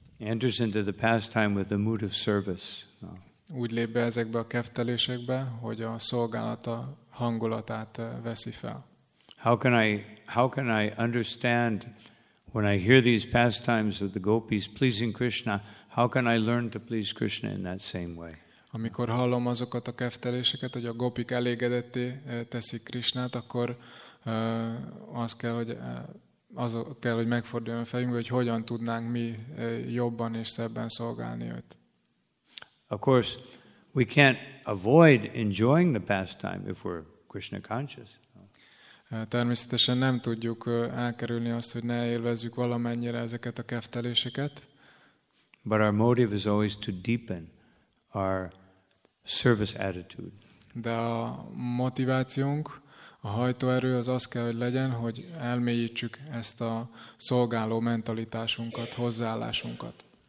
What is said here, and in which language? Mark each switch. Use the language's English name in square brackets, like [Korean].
[English] He enters into the pastime with the mood of service. [Hungarian] Úgy lép be ezekbe a keftelésekbe, hogy a szolgálata hangulatát veszi fel. [English] How can I understand when I hear these pastimes of the gopis pleasing Krishna, how can I learn to please Krishna in that same way? [Hungarian] Amikor hallom azokat a kefteléseket, hogy a gopik elégedetté teszik Krishnát, akkor az kell, hogy az kell, hogy megforduljon a fejünkbe, hogy hogyan tudnánk mi jobban és szebben szolgálni őt. [English] Of course, we can't avoid enjoying the pastime if we're Krishna conscious. [Hungarian] Természetesen nem tudjuk elkerülni azt, hogy ne élvezzük valamennyire ezeket a kefteléseket. [English] But our motive is always to deepen our service attitude. [Hungarian] De a motivációnk, a hajtóerő az az kell, hogy legyen, hogy elmélyítsük ezt a szolgáló mentalitásunkat, hozzáállásunkat.